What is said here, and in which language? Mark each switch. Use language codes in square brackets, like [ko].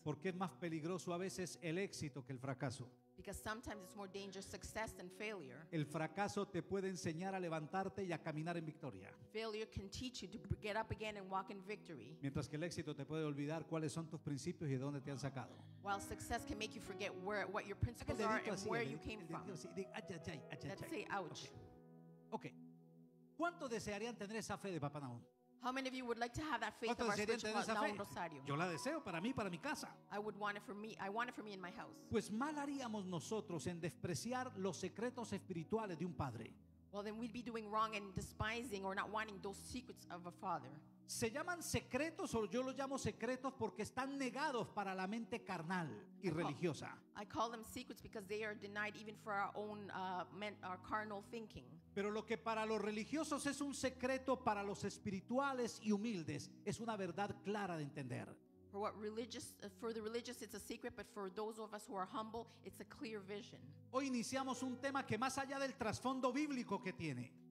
[es] Porque es más peligroso a veces el éxito que el fracaso. [en] Because sometimes it's more dangerous success than failure. [es] El fracaso te puede enseñar a levantarte y a caminar en victoria. [en] Failure can teach you to get up again and walk in victory. [es] Mientras que el éxito te puede olvidar cuáles son tus principios y de dónde te han sacado. [en] While success can make you forget where what your principles are and [es] así, [en] where you came from. Let's say ouch. Okay. [es] ¿Cuánto desearían tener esa fe de Papá Nahum? [en] How many of you would like to have that faith of our spiritual Nahum Rosario? [es] Yo la deseo para mí, para mi casa. [en] I would want it for me. I want it for me in my house. [es] Pues mal haríamos nosotros en despreciar los secretos espirituales de un padre. [en] Well, then we'd be doing wrong in despising or not wanting those secrets of a father. [es] Se llaman secretos, o yo los llamo secretos porque están negados para la mente carnal y religiosa. [en] I call them secrets because they are denied even for our own our carnal thinking. [es] Pero lo que para los religiosos es un secreto, para los espirituales y humildes es una verdad clara de entender. [en] For what religious, for the religious it's a secret, but for those of us who are humble it's a clear vision. [es] Hoy iniciamos un tema que más allá del trasfondo bíblico que tiene.